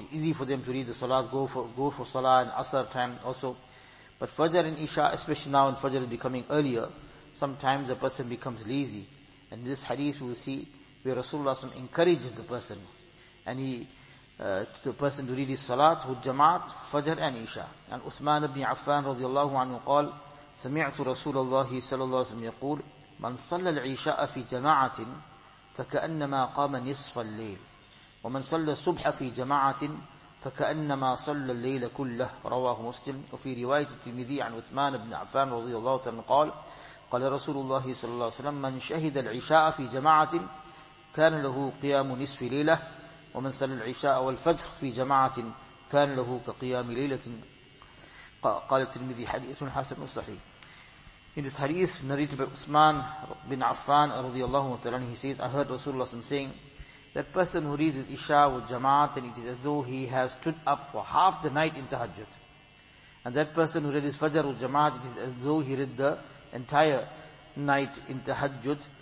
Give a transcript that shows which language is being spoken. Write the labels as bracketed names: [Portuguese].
[English] It's easy for them to read the salat. Go for salah and asr time also. But fajr and isha, especially now when fajr is becoming earlier, sometimes the person becomes lazy. And this hadith we will see where Rasulullah SAW encourages the person, and to the person to read his salat with jamaat, fajr and isha. [Arabic] And Uthman ibn Affan radiallahu anhu qal, سمعت رسول الله صلى الله عليه وسلم يقول من صلى العشاء في جماعة فكأنما قام نصف الليل ومن صلى الصبح في جماعة فكأنما صلى الليل كله رواه مسلم. وفي رواية الترمذي عن Uthman ibn Affan radiallahu anhu قال رسول الله صلى الله عليه وسلم من شهد العشاء في جماعة كان له قيام نصف ليلة ومن صلى العشاء والفجر في جماعة كان له كقيام ليلة قال الترمذي حديث حسن صحيح. [English] In this hadith narrated by Uthman bin Affan رضي الله عنه, he says, I heard Rasulullah SAW saying, that person who reads his Isha with Jama'at, and it is as though he has stood up for half the night in Tahajjud. And that person who read his Fajr with Jama'at, it is as though he read the entire night in Tahajjud.